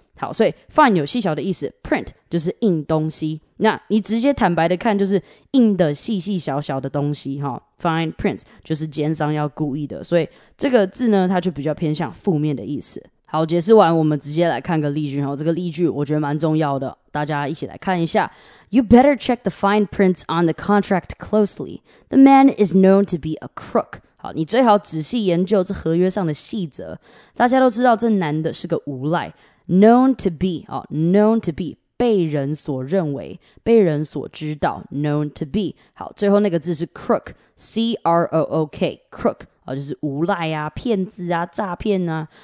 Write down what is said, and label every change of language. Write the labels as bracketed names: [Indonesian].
[Chinese] 好，所以 fine 有细小的意思， print 就是印东西，那你直接坦白的看就是印的细细小小的东西，fine print 就是奸商要故意的，所以这个字呢它就比较偏向负面的意思。好，解释完我们直接来看个例句，这个例句我觉得蛮重要的，大家一起来看一下。 [English] You better check the fine prints on the contract closely. The man is known to be a crook. [Chinese] 好，你最好仔细研究这合约上的细则，大家都知道这男的是个无赖。 [English] Known to be,、known to be, [Chinese] 被人所认为，被人所知道， [English] known to be。 [Chinese] 好，最后那个字是 crook, C-R-O-O-K, crook,、就是无赖啊，骗子啊，诈骗啊。